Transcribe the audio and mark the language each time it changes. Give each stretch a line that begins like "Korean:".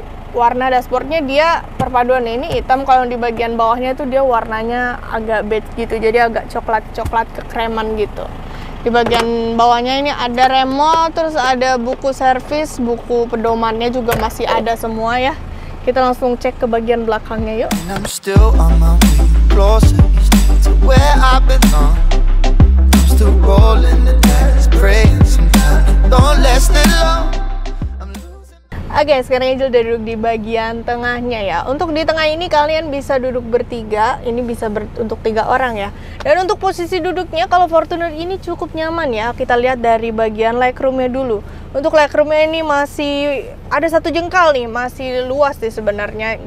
Indonesian: warna dashboardnya dia perpaduan, ini hitam, kalau di bagian bawahnya tuh dia warnanya agak beige gitu, jadi agak coklat-coklat kekreman gitu. Di bagian bawahnya ini ada remote, terus ada buku servis, buku pedomannya juga masih ada semua ya. Kita langsung cek ke bagian belakangnya yuk.
English: And I'm still on my way, closer each day to where I belong. I'm still rolling the dance, praying sometimes, don't last it long.
Indonesian: Oke, sekarang Angel udah duduk di bagian tengahnya ya. Untuk di tengah ini kalian bisa duduk bertiga, ini bisa untuk tiga orang ya. Dan untuk posisi duduknya kalau Fortuner ini cukup nyaman ya. Kita lihat dari bagian legroomnya dulu. Untuk legroomnya ini masih ada satu jengkal nih, masih luas sih sebenarnya.